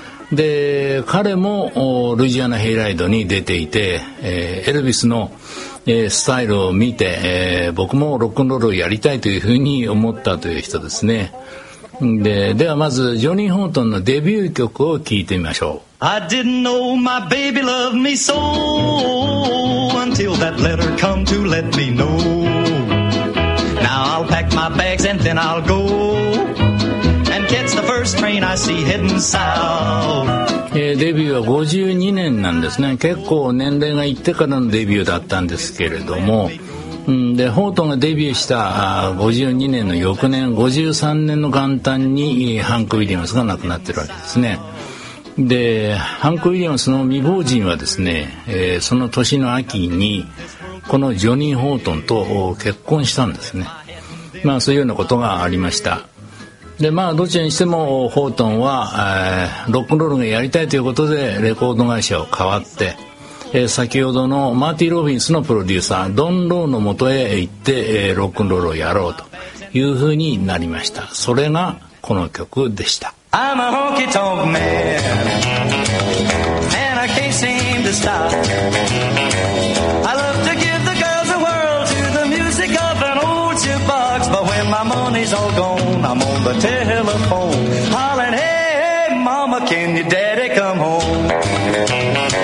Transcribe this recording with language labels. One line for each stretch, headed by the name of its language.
Japanese: で、彼もルイジアナ・ヘイライドに出ていて、エルビスの、スタイルを見て、僕もロックンロールをやりたいというふうに思ったという人ですね。ではまずジョニー・ホートンのデビュー曲を聴いてみましょう。
English: I didn't know my baby loved me so until that letter come to let me know. Now I'll pack my bags and then I'll go and catch the first train I see heading south.
Japanese: デビューは52年なんですね。結構年齢がいってからのデビューだったんですけれども、でホートンがデビューした52年の翌年、53年の元旦にハンク・ウィリアムスが亡くなっているわけですね。で、ハンク・ウィリアムスの未亡人はですね、その年の秋にこのジョニー・ホートンと結婚したんですね。まあそういうようなことがありました。でまあどちらにしてもホートンは、ロックンロールがやりたいということでレコード会社を変わって、先ほどのマーティー・ロビンスのプロデューサードン・ローの元へ行って、ロックンロールをやろうというふうになりました。それがこの曲でした。
English: I'm a honky tonk man and I can't seem to stop. I love to give the girls a whirl to the music of an old jukebox. But when my money's all gone, I'm on the telephone hollering, hey, hey, mama, can your daddy come home?